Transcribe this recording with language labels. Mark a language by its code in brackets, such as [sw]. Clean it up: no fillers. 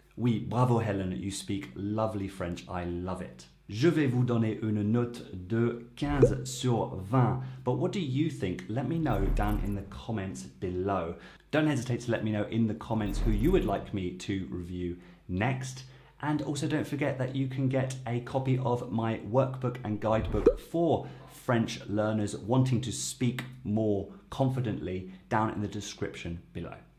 [fr] Oui, bravo [en] Helen, you speak lovely French, I love it. [fr] Je vais vous donner une note de 15 sur 20. [en] But what do you think? Let me know down in the comments below. Don't hesitate to let me know in the comments who you would like me to review next. And also don't forget that you can get a copy of my workbook and guidebook for French learners wanting to speak more confidently down in the description below.